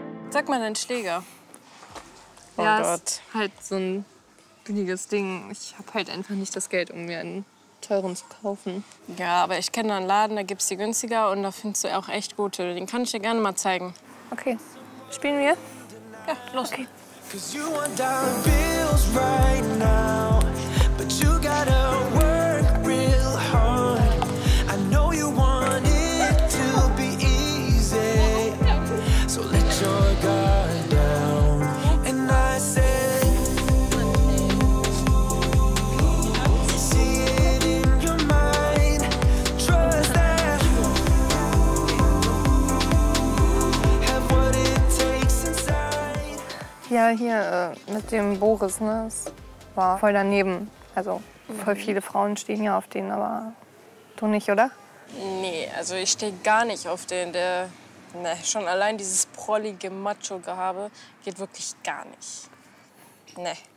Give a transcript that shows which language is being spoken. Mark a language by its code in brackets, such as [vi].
[de] Sag mal deinen Schläger. Oh ja, Gott. Ist halt so ein billiges Ding. Ich habe halt einfach nicht das Geld, um mir einen teuren zu kaufen. Ja, aber ich kenne einen Laden, da gibt's die günstiger und da findest du auch echt gute. Den kann ich dir gerne mal zeigen. Okay. Spielen wir? Ja, los. Okay. [en] 'Cause you want our bills right now, but you gotta work real hard. I know you want it to be easy, so let your guard down. And I said, see it in your mind, trust that you have what it takes inside. [de] Ja, hier mit dem Boris, ne? Das war voll daneben. Also, voll viele Frauen stehen ja auf den, aber du nicht, oder? Nee, also ich stehe gar nicht auf den. Schon allein dieses prollige Macho-Gehabe geht wirklich gar nicht. Nee.